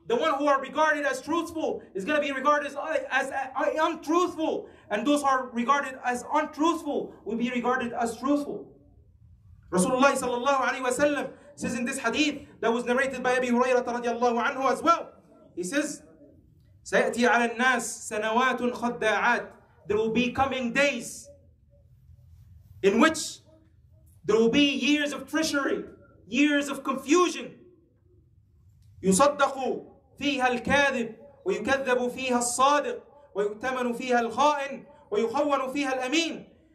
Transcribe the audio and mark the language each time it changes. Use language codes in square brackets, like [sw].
[en] The one who are regarded as truthful is going to be regarded as untruthful. And those who are regarded as untruthful will be regarded as truthful. Rasulullah sallallahu alayhi wa sallam says in this hadith that was narrated by Abi Hurairah radiallahu anhu as well. He says, [ar] سَيَأْتِي عَلَى النَّاسِ سَنَوَاتٌ خَدَّاعَاتٌ. [en] There will be coming days in which there will be years of treachery, years of confusion. [ar] يُصَدَّقُ فِيهَا الْكَاذِبُ وَيُكَذَّبُ فِيهَا الصَّادِقُ وَيُؤْتَمَنُ فِيهَا الْخَائِنُ وَيُخَوَّنُ فِيهَا الْأَمِينُ.